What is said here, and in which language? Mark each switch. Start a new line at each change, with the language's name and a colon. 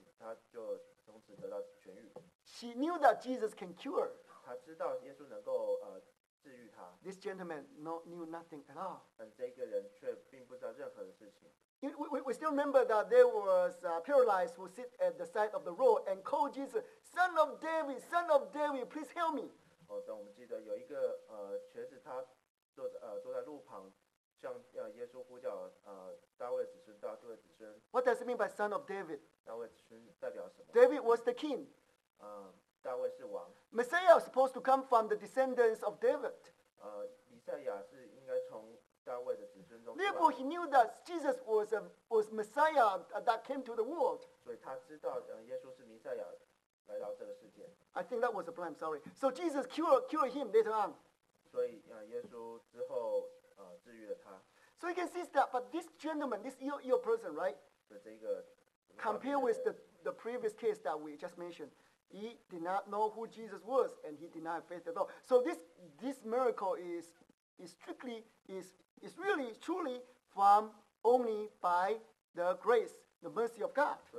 Chinese: 有一个患血肉很久的妇人呢，她因为她的信心去触摸耶稣的身上衣服的坠子，她就从此得到痊愈。
English: She knew that Jesus can cure.
Chinese: 他知道耶稣能够治愈他。
English: This gentleman knew nothing at all.
Chinese: 但这个人却并不知道任何的事情。
English: We still remember that there was a paralyzed who sit at the side of the road and called Jesus, Son of David, Son of David, please help me.
Chinese: 但我们记得有一个瘸子，他坐在路旁，向耶稣呼叫大卫子孙，大卫子孙。
English: What does it mean by Son of David?
Chinese: 大卫子孙代表什么？
English: David was the king.
Chinese: 大卫是王。
English: Messiah is supposed to come from the descendants of David.
Chinese: 弥赛亚是应该从大卫的子孙中。
English: Therefore, he knew that Jesus was Messiah that came to the world.
Chinese: 所以他知道耶稣是弥赛亚来到这个世界。
English: I think that was a blame. Sorry. So Jesus cured him later on.
Chinese: 所以耶稣之后治愈了他。
English: So you can see that, but this gentleman, this ill person, right?
Chinese: 所以这个
English: compared with the previous case that we just mentioned. He did not know who Jesus was, and he did not have faith at all. So this miracle is really truly from only by the grace, the mercy of God.